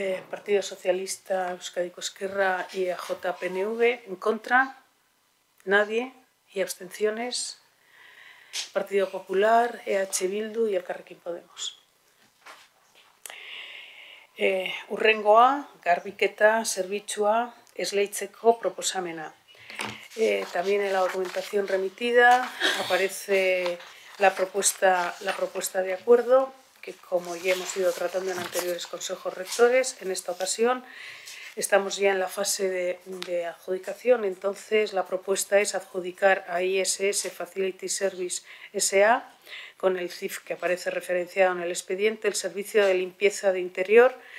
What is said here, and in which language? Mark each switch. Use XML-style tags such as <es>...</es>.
<es>Partido Socialista, Euskadiko Esquerra y AJPNV, en contra, nadie, y abstenciones, Partido Popular, EH Bildu y Elkarrekin Podemos.</es> <eu>Urrengoa, garbiketa, zerbitzua, esleitzeko proposamena.</eu> <es>También en la documentación remitida aparece la propuesta de acuerdo, que como ya hemos ido tratando en anteriores consejos rectores, en esta ocasión estamos ya en la fase de adjudicación. Entonces, la propuesta es adjudicar a ISS Facility Service S.A., con el CIF que aparece referenciado en el expediente, el servicio de limpieza de interior,</es>